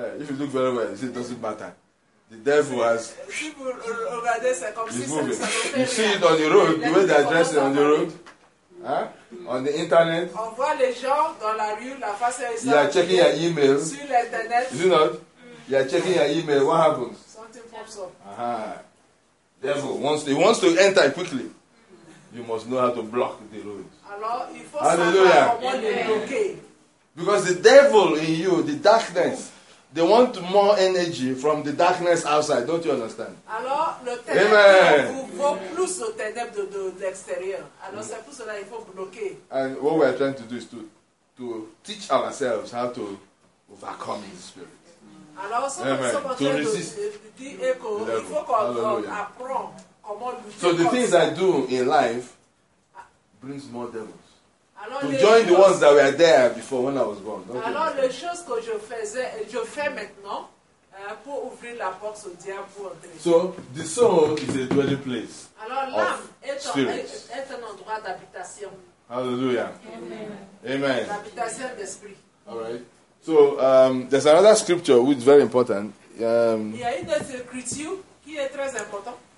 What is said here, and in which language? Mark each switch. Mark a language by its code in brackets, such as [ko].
[en] If you look very well, it doesn't matter. The devil has. [fr] Si vous regardez, c'est comme si c'était. [en] You see it on the road, the way they're dressing on the road. On the internet. [fr] On voit les gens dans la rue, la face est. [en] You are checking your email. [fr] Sur l'internet. [en] Is it not? You are checking your email. What happens? Something pops up. Devil wants. He wants to enter quickly. You must know how to block the road. Hallelujah. Okay. Because the devil in you, the darkness, they want more energy from the darkness outside. Don't you understand? [fr] Alors, le ténèbre, amen. Plus le ténèbre de l'extérieur. Alors, c'est pour cela, il faut bloquer. [en] And what we are trying to do is to teach ourselves how to overcome the spirit. Alors, to resist. Hallelujah. So the things I do in life brings more devils. To join the ones that were there before when I was born. [fr] Alors les choses que je faisais, je fais maintenant pour ouvrir la porte au diable pour entrer. [en] So the soul is a dwelling place. [fr] Alors l'âme est un endroit d'habitation. Hallelujah. Amen. Amen. L'habitation d'esprit. [en] All right. So there's another scripture which is very important. [fr] Il y a une scripture qui est très important.